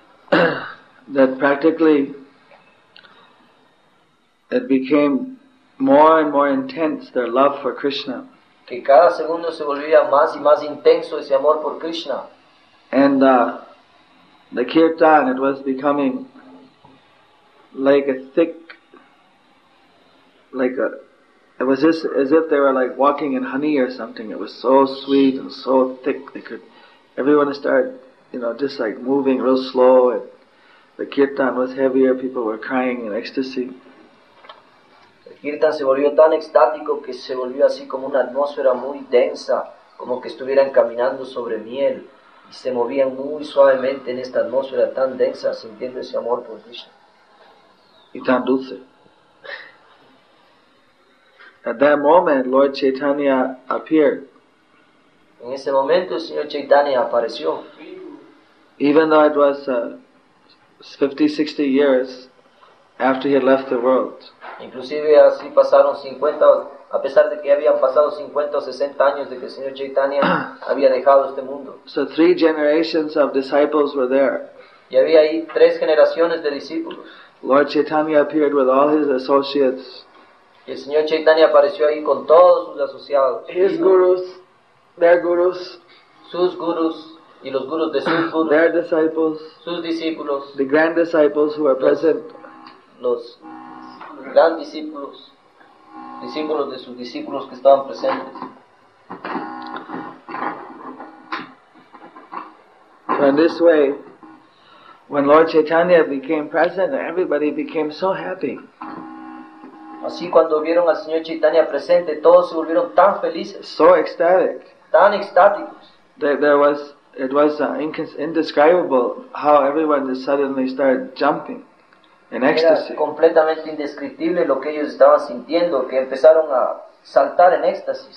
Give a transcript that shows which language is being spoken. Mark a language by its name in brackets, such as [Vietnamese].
[English] That practically it became more and more intense, their love for Krishna. [Spanish] Que cada segundo se volvía más y más intenso ese amor por Krishna. [English] And the kirtan, it was becoming like a thick, like a, it was just as if they were like walking in honey or something. It was so sweet and so thick. They could, everyone started, you know, just like moving real slow. And the kirtan was heavier. People were crying in ecstasy. [Spanish] Kirtan se volvió tan extático que se volvió así como una atmósfera muy densa, como que estuvieran caminando sobre miel, y se movían muy suavemente en esta atmósfera tan densa, sintiendo ese amor por Krishna. Y tan dulce. [English] At that moment, Lord Chaitanya appeared. [Spanish] En ese momento, el Señor Chaitanya apareció. [English] Even though it was 50, 60 years after he had left the world. [Spanish] Inclusive así pasaron 50, a pesar de que habían pasado 50 o 60 años de que el Señor Chaitanya había dejado este mundo. [English] So three generations of disciples were there. [Spanish] Y había ahí tres generaciones de discípulos. [English] Lord Chaitanya appeared with all his associates. [Spanish] Y el Señor Chaitanya apareció ahí con todos sus asociados. [English] His gurus, their gurus. [Spanish] Sus gurus. Y los gurus de sus gurus. [English] Their disciples. [Spanish] Sus discípulos. [English] The grand disciples who were present. [Spanish] Los gran discípulos, discípulos de sus discípulos que estaban presentes. [English] So in this way, when Lord Chaitanya became present, everybody became so happy. [Spanish] Así cuando vieron al Señor Chaitanya presente, todos se volvieron tan felices. [English] So ecstatic. [Spanish] Tan extáticos. [English] It was indescribable how everyone just suddenly started jumping. In ecstasy. [Spanish] Era completamente indescriptible lo que ellos estaban sintiendo, que empezaron a saltar en éxtasis.